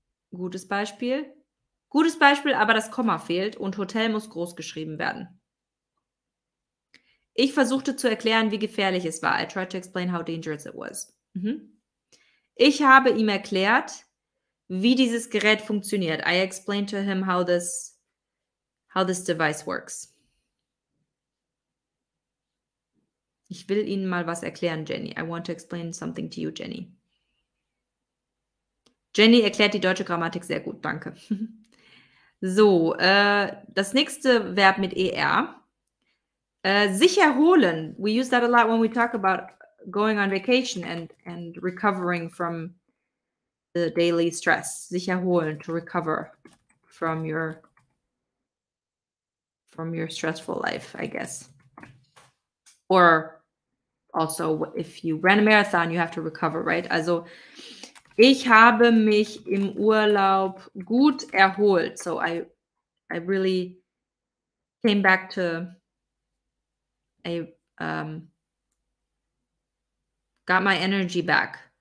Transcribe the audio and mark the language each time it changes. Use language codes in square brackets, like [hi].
[de] Gutes Beispiel. Gutes Beispiel, aber das Komma fehlt und Hotel muss groß geschrieben werden. Ich versuchte zu erklären, wie gefährlich es war. [en] I tried to explain how dangerous it was. [de] Mhm. Ich habe ihm erklärt, wie dieses Gerät funktioniert. [en] I explained to him how this device works. [de] Ich will Ihnen mal was erklären, Jenny. [en] I want to explain something to you, Jenny. [de] Jenny erklärt die deutsche Grammatik sehr gut. Danke. So, das nächste Verb mit ER. Sich erholen. [en] We use that a lot when we talk about going on vacation and recovering from the daily stress, sich erholen, to recover from your stressful life, I guess. Or also, if you ran a marathon, you have to recover, right? [de] Also, ich habe mich im Urlaub gut erholt. [en] So, I really came back to got my energy back.